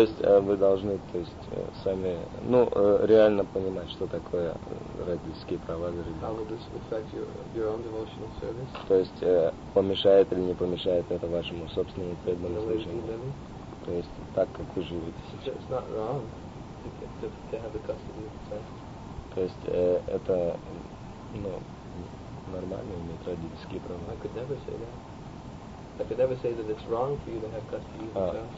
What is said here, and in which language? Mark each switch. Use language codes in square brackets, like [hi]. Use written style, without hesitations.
[ru] есть вы должны, то есть сами, ну реально понимать, что такое родительские права для ребенка. [en] How will this affect your own devotional service? [ru] То есть помешает или не помешает это вашему собственному преданному служению? То есть так, как вы живете сейчас. [en] It's not wrong to have the custody of the child. [ru] То есть это, ну, нормально иметь родительские права. [en] I could never say that. I could never say that it's wrong for you to have custody of yourself.